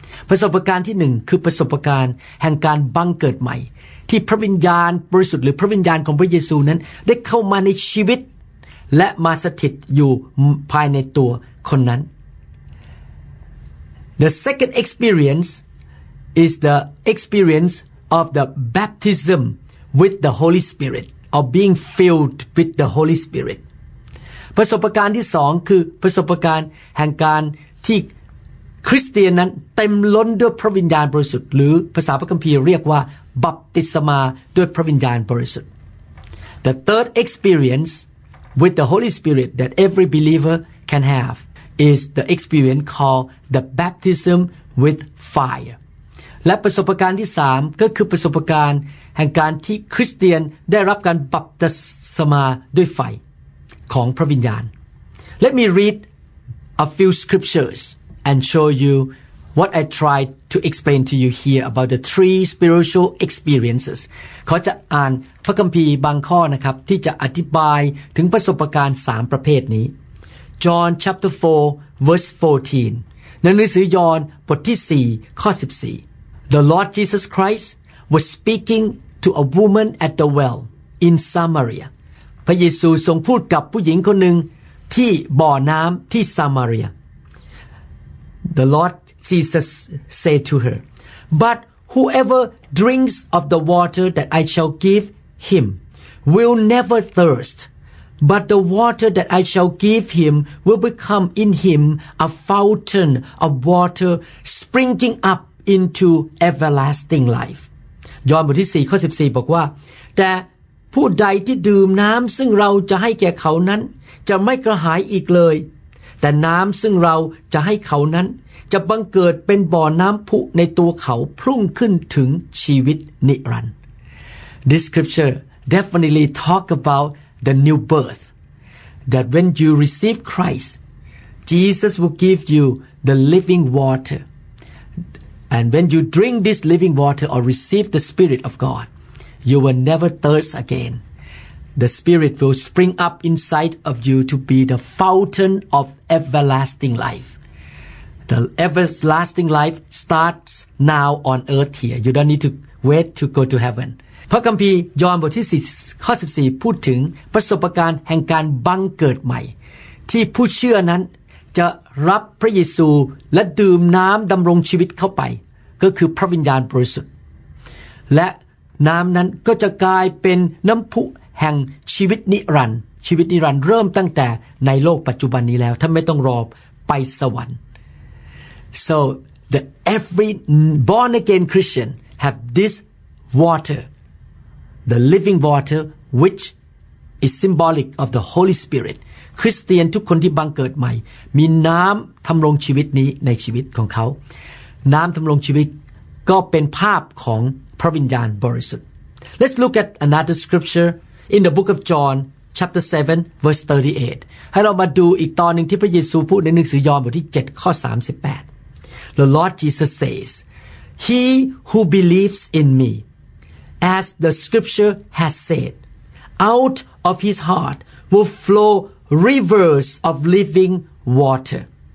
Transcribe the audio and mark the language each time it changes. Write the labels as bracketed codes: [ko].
[th] ประสบการณ์ที่หนึ่งคือประสบการณ์แห่งการบังเกิดใหม่ที่พระวิญญาณบริสุทธิ์หรือพระวิญญาณของพระเยซูนั้นได้เข้ามาในชีวิตและมาสถิตอยู่ภายในตัวคนนั้น [en] The second experience is the experience of the baptism with the Holy Spirit. Of being filled with the Holy Spirit. [th] ประสบการณ์ที่สองคือประสบการณ์แห่งการที่คริสเตียนนั้นเต็มล้นด้วยพระวิญญาณบริสุทธิ์หรือภาษาพระคัมภีร์เรียกว่าบัพติศมาด้วยพระวิญญาณบริสุทธิ์ [en] The third experience with the Holy Spirit that every believer can have is the experience called the baptism with fire. [th] และประสบการณ์ที่3ก็คือประสบการณ์แห่งการที่คริสเตียนได้รับการบัพติศมาด้วยไฟของพระวิญญาณ [en] Let me read a few scriptures and show you what I tried to explain to you here about the three spiritual experiences. [th] ขอจะอ่านพระคัมภีร์บางข้อนะครับที่จะอธิบายถึงประสบการณ์3ประเภทนี้ [en] John chapter 4 verse 14. [th] ในหนังสือยอห์นบทที่4ข้อ14 [en] The Lord Jesus Christ was speaking to a woman at the well in Samaria. [th] พระเยซูทรงพูดกับผู้หญิงคนหนึ่งที่บ่อน้ำที่ซามาเรีย [en] The Lord Jesus said to her, But whoever drinks of the water that I shall give him will never thirst. But the water that I shall give him will become in him a fountain of water springing up into everlasting life. [th] ยอห์นบทที่4ข้อ14บอกว่าแต่ผู้ใดที่ดื่มน้ำซึ่งเราจะให้แก่เขานั้นจะไม่กระหายอีกเลยแต่น้ำซึ่งเราจะให้เขานั้นจะบังเกิดเป็นบ่อน้ำพุในตัวเขาพุ่งขึ้นถึงชีวิตนิรันดร์ [en] This scripture definitely talk aboutThe new birth, that when you receive Christ, Jesus will give you the living water. And when you drink this living water or receive the Spirit of God, you will never thirst again. The Spirit will spring up inside of you to be the fountain of everlasting life. The everlasting life starts now on earth here. You don't need to wait to go to heaven. [th] พระคัมภีร์ยอห์นบทที่4ข้อ14พูดถึงประสบการณ์แห่งการบังเกิดใหม่ที่ผู้เชื่อนั้นจะรับพระเยซูและดื่มน้ำดำรงชีวิตเข้าไปก็คือพระวิญญาณบริสุทธิ์และน้ำนั้นก็จะกลายเป็นน้ำพุแห่งชีวิตนิรันดร์ชีวิตนิรันดร์เริ่มตั้งแต่ในโลกปัจจุบันนี้แล้วท่านไม่ต้องรอไปสวรรค์ [en] So the every born again Christian have this waterThe living water, which is symbolic of the Holy Spirit. [th] Christian, ทุกคนที่บังเกิดใหม่มีน้ำทำรงชีวิตนี้ในชีวิตของเขาน้ำทำรงชีวิตก็เป็นภาพของพระวิญญาณบริสุทธิ์ [en] Let's look at another scripture in the book of John, chapter 7, verse 38. [th] ให้เรามาดูอีกตอนนึงที่พระเยซูพูดในหนังสือยอห์นบทที่7ข้อ38 [en] The Lord Jesus says, He who believes in meAs the scripture has said, out of his heart will flow rivers of living water.